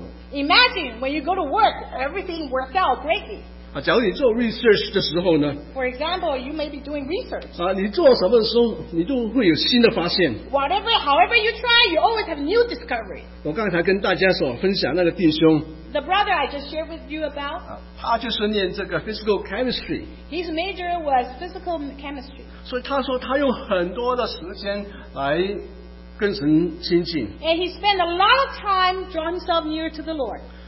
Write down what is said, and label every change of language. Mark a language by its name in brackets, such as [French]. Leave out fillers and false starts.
[English] Imagine when you go to work, everything works out greatly. [Chinese] 假如你做 research 的时候呢？ [English] For example, you may be doing research. [Chinese] 你做什么的时候，你都会有新的发现。 [English] However you try, you always have new discoveries. [Chinese] 我刚才跟大家所分享那个弟兄。 [English] The brother I just shared with you about. [Chinese] 他就是念这个 physical chemistry. [English] His major was physical chemistry. [Chinese] 所以他说他用很多的时间来。 [English] And he spent a lot of time drawing himself near to the Lord.